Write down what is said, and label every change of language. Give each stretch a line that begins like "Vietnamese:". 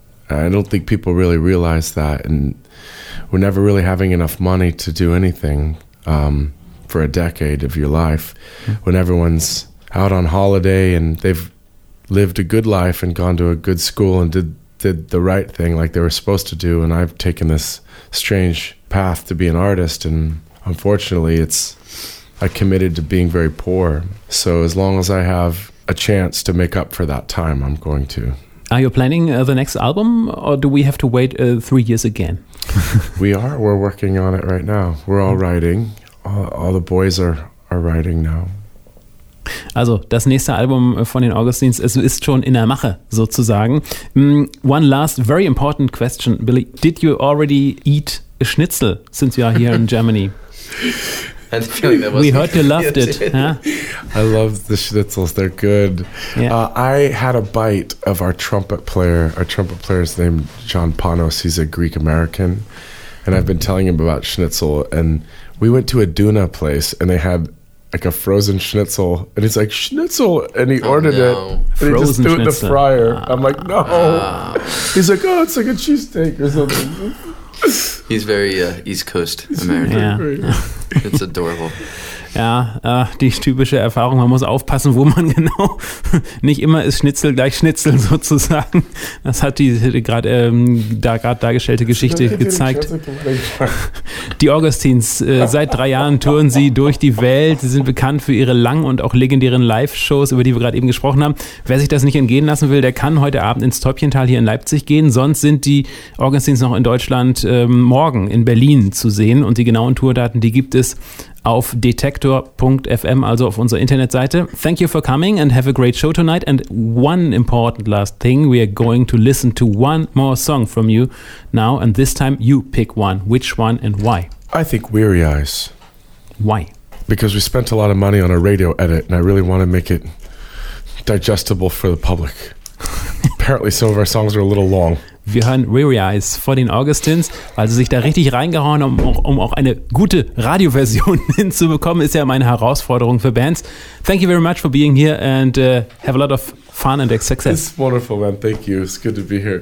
English: I don't think people really realize that, and we're never really having enough money to do anything for a decade of your life when everyone's out on holiday and they've lived a good life and gone to a good school and did the right thing like they were supposed to do, and I've taken this strange path to be an artist, and unfortunately I committed to being very poor. So as long as I have a chance to make up for that time, I'm going to. Are you planning the next album, or do we have to wait 3 years again? We are. We're working on it right now. We're all writing. All the boys are writing now.
German: Also, das nächste Album von den Augustines, es ist schon in der Mache, sozusagen.
English: One last very important question, Billy. Did you already eat a Schnitzel since you are here in Germany? We heard you loved it. Huh? I love the schnitzels. They're good. Yeah. I had a bite of our trumpet player. Our trumpet player's name, John Panos. He's a Greek-American. And I've been telling him about schnitzel. And we went to a Duna place, and they had like a frozen schnitzel. And he's like, schnitzel. And he ordered it. And frozen he just threw schnitzel. It in the fryer. I'm like, no. He's like, oh, it's like a cheesesteak or something. He's very East Coast American. Yeah. It's adorable.
German: Ja, die typische Erfahrung, man muss aufpassen, wo man genau, nicht immer ist Schnitzel gleich Schnitzel sozusagen. Das hat die gerade dargestellte Geschichte gezeigt. Die Augustines, seit 3 Jahren touren sie durch die Welt. Sie sind bekannt für ihre langen und auch legendären Live-Shows, über die wir gerade eben gesprochen haben. Wer sich das nicht entgehen lassen will, der kann heute Abend ins Täubchental hier in Leipzig gehen. Sonst sind die Augustines noch in Deutschland morgen in Berlin zu sehen. Und die genauen Tourdaten, die gibt es auf detektor.fm, also auf unserer Internetseite.
English: Thank you for coming and have a great show tonight. And one important last thing, we are going to listen to one more song from you now, and this time you pick one. Which one and why? I think Weary Eyes. Why? Because we spent a lot of money on a radio edit, and I really want to make it digestible for the public. Apparently some of our songs are a little long.
German: Wir hören Weary Eyes vor den Augustins, weil sie sich da richtig reingehauen haben, um auch eine gute Radioversion hinzubekommen, ist ja immer eine Herausforderung für Bands.
English: Thank you very much for being here and have a lot of fun and success. It's wonderful, man. Thank you. It's good to be here.